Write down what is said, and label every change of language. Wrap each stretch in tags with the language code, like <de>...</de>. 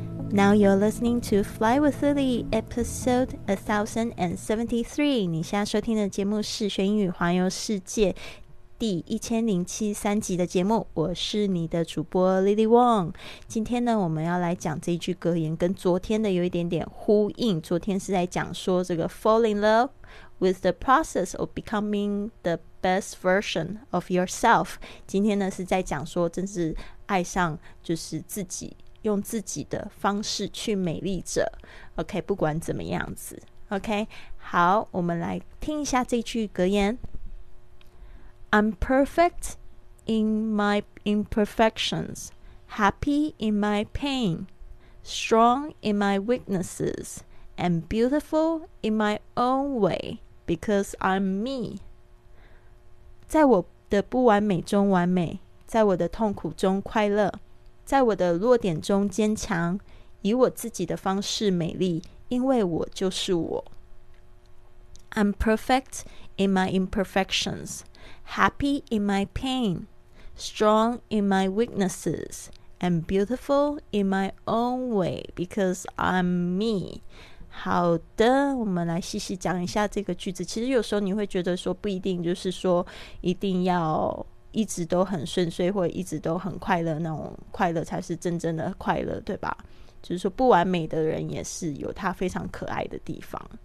<en>Now you're listening to Fly with Lily, episode 1073.</en> <zh>你现在收听的节目是学英语环游世界第1073集的节目，我是你的主播 Lily Wong。今天呢，我们要来讲这句格言，跟昨天的有一点点呼应。昨天是在讲说这个</zh> <en>fall in love with the process of becoming the best version of yourself，</en> <zh>今天呢是在讲说真是爱上就是自己，用自己的方式去美丽着。 OK， 不管怎么样子。OK， 好，我们来听一下这句格言。</zh> <en>I'm perfect in my imperfections, happy in my pain, strong in my weaknesses, and beautiful in my own way because I'm me.</en> <zh>在我的不完美中完美，在我的痛苦中快乐，在我的弱点中坚强，以我自己的方式美丽，因为我就是我。</zh> <en>I'm perfect in my imperfections, happy in my pain, strong in my weaknesses, and beautiful in my own way because I'm me.</en> <zh>好的，我们来细细讲一下这个句子。其实有时候你会觉得说不一定就是说一定要一直都很顺遂或一直都很快乐，那种快乐才是真正的快乐，对吧？就是说不完美的人也是有他非常可爱的地方。</zh>